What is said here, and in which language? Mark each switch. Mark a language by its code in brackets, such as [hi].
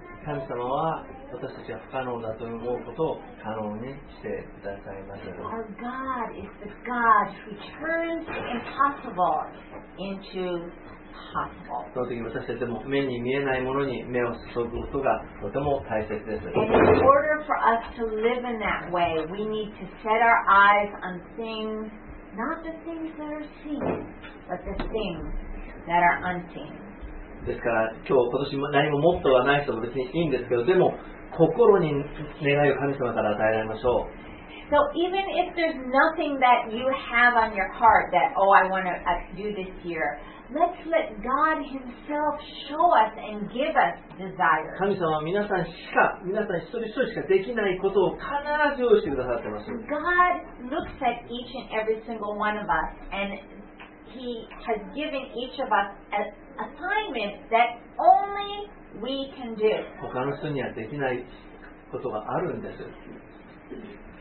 [ja] 神様は私たちは不可能だと思うことを可能にしてくださいます。 [en] Our God is the God who turns the impossible into possible. [ja] 私たちでも目に見えないものに目を注ぐことがとても大切です。 [en] And in order for us to live in that way, we need to set our eyes on things, not the things that are seen, but the things that are unseen. [ja] ですから今日今年何もモットーはない人も別にいいんですけど、でも心に願いを神様から与えられましょう。 [en] So even if there's nothing that you have on your heart that oh I want to do this year, let's let God himself show us and give us desire. [ja] 神様は皆さん一人一人しかできないことを必ず用意してくださってます。 [en] God looks at each and every single one of us and he has given each of us aAssignment that only we can do. [ja] 他の人にはできないことがあるんです。